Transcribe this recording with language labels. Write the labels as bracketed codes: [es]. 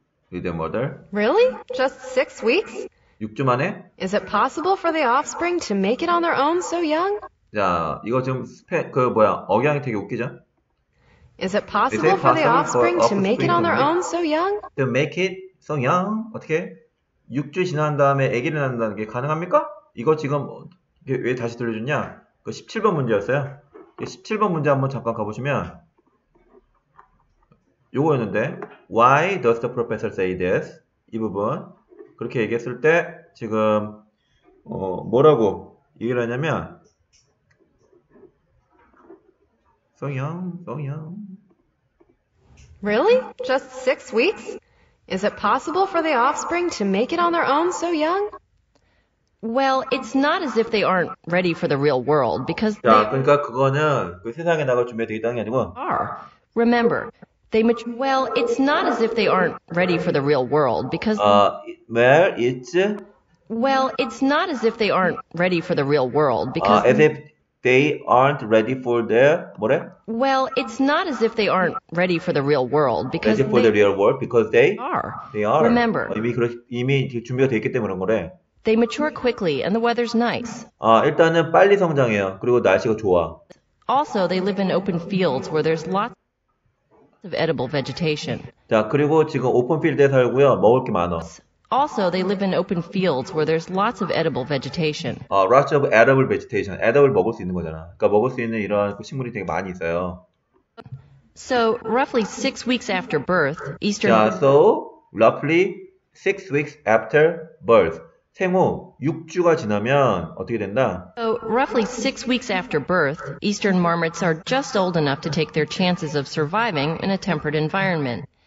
[en] Leave their mother? Really? Just 6 weeks? [ko] 6주 만에? [en] Is it possible for the offspring to make it on their own so young? [ko] 자, 이거 지금 그 뭐야? 억양이 되게 웃기죠? [en] Is it possible for the offspring to make it on their own so young? To make it so young? [ko] 어떻게? 6주 지난 다음에 아기를 낳는다는 게 가능합니까? 이거 지금 왜 다시 들려줬냐? 그 17번 문제였어요. 17번 문제 한번 잠깐 가보시면 요거였는데 [en] Why does the professor say this? [ko] 이 부분 그렇게 얘기했을 때 지금 뭐라고 얘기를 하냐면 [en] So young, so young. Really? Just 6 weeks? Is it possible for the offspring to make it on their own so young? Well, it's not as if they aren't ready for the real world because [ko] 야, 그러니까 그거는 그 세상에 나갈 준비가 되어 있다는 게 아니고 [en] are. Remember They much well. It's not as if they aren't ready for the real world because. Well, it's. Well, it's not as if they aren't ready for the real world because. As if they aren't ready for the [ko] 뭐래? [en] Well, it's not as if they aren't ready for the real world because. As if for the real world because they are. They are. Remember. [ko] 이미 준비가 되어 있기 때문에 그래. [en] They mature quickly and the weather's nice. [ko] 아, 일단은 빨리 성장해요. 그리고 날씨가 좋아. [en] Also, they live in open fields where there's lots of edible vegetation. [ko] 자, 그리고 지금 오픈 필드에 살고요. 먹을 게 많아. [en] Also, they live in open fields where there's lots of edible vegetation. 아, lots of edible vegetation. Edible [ko] 먹을 수 있는 거잖아. 그러니까 먹을 수 있는 이런 식물이 되게 많이 있어요. [en] So, roughly 6 weeks after birth, Eastern... 자, so, roughly 6 weeks after birth. [ko] 생후 6주가 지나면 어떻게 된다? [en] So, roughly 6 weeks after birth, Eastern marmots are just old enough to take their chances of surviving in a temperate environment.